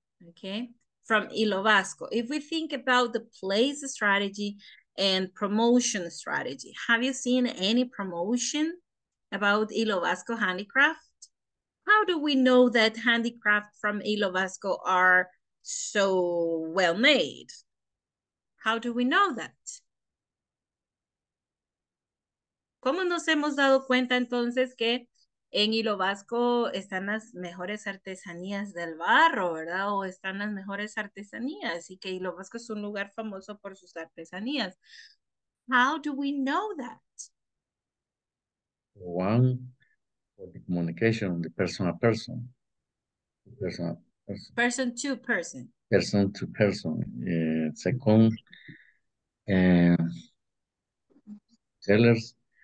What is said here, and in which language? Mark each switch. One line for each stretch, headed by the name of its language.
English: Okay, from Ilovasco. If we think about the place strategy and promotion strategy, have you seen any promotion about Ilovasco handicraft? How do we know that handicraft from Ilovasco are so well made? How do we know that?
Spanish: ¿Cómo nos hemos dado cuenta entonces que en Hilo Vasco están las mejores artesanías del barro, verdad? O están las mejores artesanías y que Hilo Vasco es un lugar famoso por sus artesanías.
English: How do we know that? One, for the communication, the person to person. Person to person. Person to person. Second, sellers.